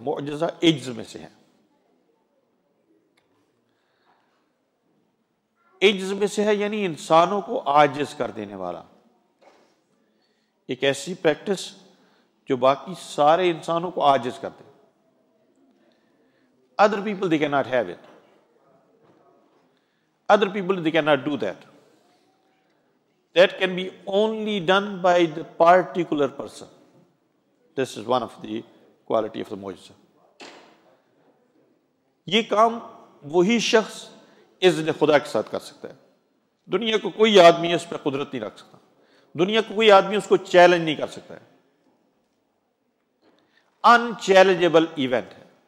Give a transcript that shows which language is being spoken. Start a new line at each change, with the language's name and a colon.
Urdu: معجزہ عجز میں سے ہے. عجز میں سے ہے یعنی انسانوں کو عاجز کر دینے والا ایک ایسی پریکٹس جو باقی سارے انسانوں کو عاجز کر دے.
English: Other people they can not have it. Other people they can not do that. That can be only done by the particular person. This is one of the quality of the معجزہ.
Urdu: یہ کام وہی شخص اذن خدا کے ساتھ کر سکتا ہے. دنیا کو کوئی آدمی اس پہ قدرت نہیں رکھ سکتا. دنیا کو کوئی آدمی اس کو چیلنج نہیں کر سکتا ہے.
English: ان challengeable event ہے.